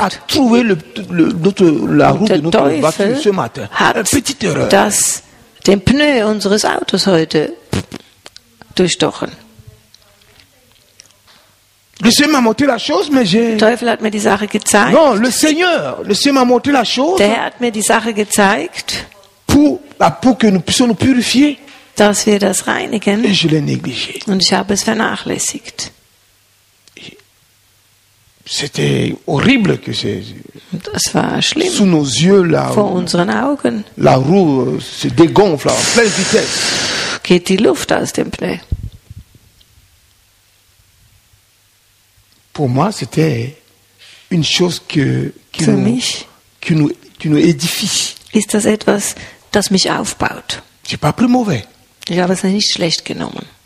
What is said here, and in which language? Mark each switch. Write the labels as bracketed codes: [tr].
[fr] A trouvé le, notre, la route de notre voiture ce matin. Hat Un petite erreur. [de] Das den Pneu unseres Autos heute durchstochen. [fr] Le Seigneur m'a montré la chose, mais j'ai. [de] Der Teufel hat mir die Sache gezeigt. [fr] Non, le Seigneur m'a montré la chose. [de] Der Herr hat mir die Sache gezeigt. [fr] Pour que nous puissions nous purifier. [de] Dass wir das reinigen. [fr] Et je l'ai négligé. [de] Und ich habe es vernachlässigt. [fr] C'était horrible que [de] das war schlimm. [fr] Sous nos yeux, la [de] vor unseren Augen. [fr] La roue se dégonfle en pleine vitesse. [de] Geht die Luft aus dem Pneu. [fr] Pour moi, c'était une chose qui nous édifie. [de] Ist das etwas, das mich aufbaut? [fr] C'est pas plus mauvais. [de] Ich habe es nicht schlecht genommen.